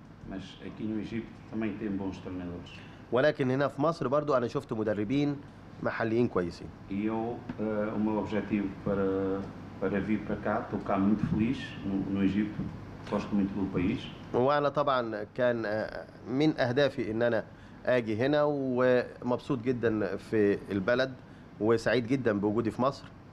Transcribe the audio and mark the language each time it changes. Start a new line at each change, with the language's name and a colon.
Portuguese: مش aqui no Egito também tem bons treinadores.
Arabic: ولكن هنا في مصر برضو انا شفت مدربين محليين كويسين.
Portuguese: E eu, o meu objetivo para vir para cá, estou cá muito feliz no Egito, gosto muito do país.
Arabic: وانا طبعا كان من اهدافي ان انا اجي هنا ومبسوط جدا في البلد وسعيد جدا بوجودي في مصر.